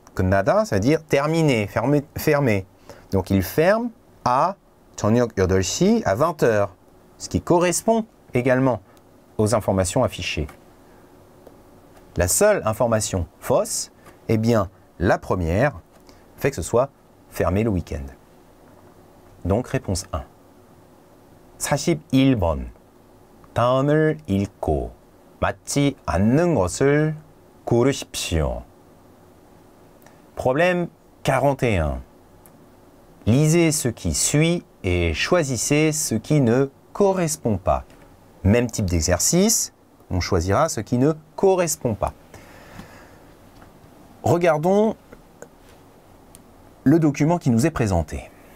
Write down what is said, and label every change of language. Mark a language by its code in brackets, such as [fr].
[fr] 끝나다, ça veut dire terminé, fermé. Donc il ferme à [ko] 저녁 8시 [fr] à 20h, ce qui correspond également aux informations affichées. La seule information fausse, eh bien la première, fait que ce soit fermé le week-end. Donc réponse 1. [ko] 41번. 다음을 읽고 맞지 않는 것을 고르십시오. [fr] Problème 41. Lisez ce qui suit et choisissez ce qui ne correspond pas. Même type d'exercice, on choisira ce qui ne correspond pas. Regardons le document qui nous est présenté.